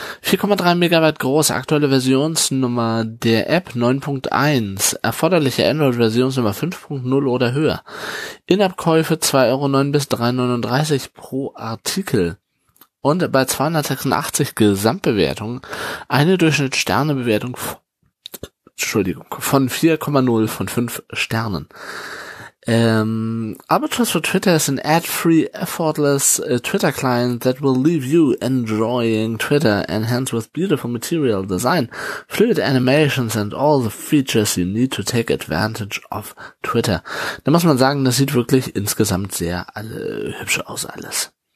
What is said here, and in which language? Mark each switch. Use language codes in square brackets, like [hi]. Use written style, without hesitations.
[de] 4,3 Megabyte groß, aktuelle Versionsnummer der App 9.1, erforderliche Android-Versionsnummer 5.0 oder höher. In-App-Käufe 2,09 bis 3,39 pro Artikel. Und bei 286 Gesamtbewertungen eine Durchschnittssternebewertung von 4,0 von 5 Sternen. [en] Albatross for Twitter is an ad-free, effortless Twitter client that will leave you enjoying Twitter, enhanced with beautiful material design, fluid animations and all the features you need to take advantage of Twitter. [de] Da muss man sagen, das sieht wirklich insgesamt sehr hübsch aus alles.